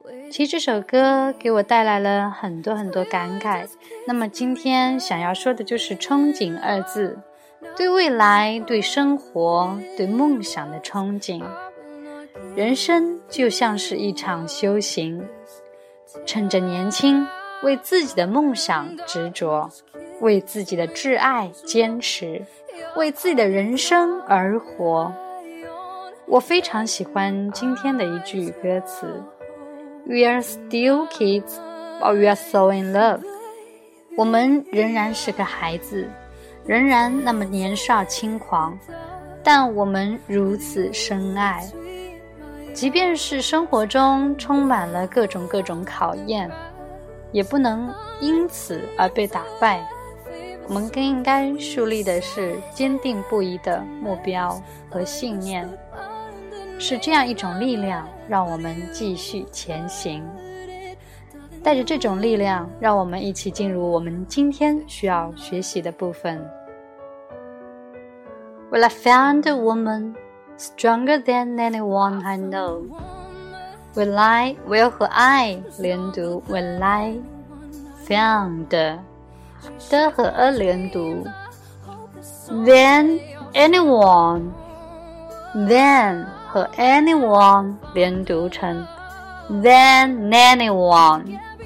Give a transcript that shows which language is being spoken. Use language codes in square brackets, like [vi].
[zh] 其实这首歌给我带来了很多很多感慨，那么今天想要说的就是憧憬二字，对未来，对生活，对梦想的憧憬。人生就像是一场修行，趁着年轻，为自己的梦想执着，为自己的挚爱坚持，为自己的人生而活。我非常喜欢今天的一句歌词， [en] We are still kids, but we are so in love. [zh] 我们仍然是个孩子，仍然那么年少轻狂，但我们如此深爱。即便是生活中充满了各种各种考验，也不能因此而被打败。我们更应该树立的是坚定不移的目标和信念。是这样一种力量让我们继续前行，带着这种力量，让我们一起进入我们今天需要学习的部分。 [en] Well, I found a woman stronger than anyone I know. Will I, will 和 I 连读 Will I found 的和 a 连读 Than anyone Than和 anyone 连读成 than anyone。